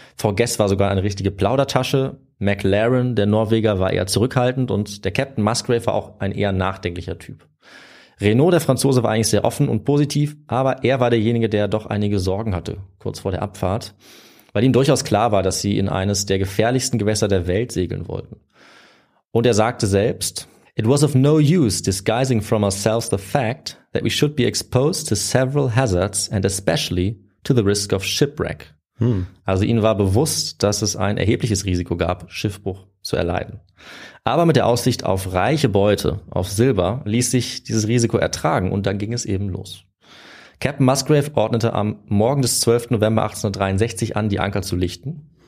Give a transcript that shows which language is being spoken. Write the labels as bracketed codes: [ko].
[de] Forgues war sogar eine richtige Plaudertasche. McLaren, der Norweger, war eher zurückhaltend. Und der Captain Musgrave war auch ein eher nachdenklicher Typ. Renaud, der Franzose, war eigentlich sehr offen und positiv. Aber er war derjenige, der doch einige Sorgen hatte, kurz vor der Abfahrt. Weil ihm durchaus klar war, dass sie in eines der gefährlichsten Gewässer der Welt segeln wollten. Und er sagte selbst, [en] "It was of no use disguising from ourselves the fact that we should be exposed to several hazards and especially to the risk of shipwreck." Hm. [de] Also ihnen war bewusst, dass es ein erhebliches Risiko gab, Schiffbruch zu erleiden. Aber mit der Aussicht auf reiche Beute, auf Silber, ließ sich dieses Risiko ertragen und dann ging es eben los. Captain Musgrave ordnete am Morgen des 12. November 1863 an, die Anker zu lichten.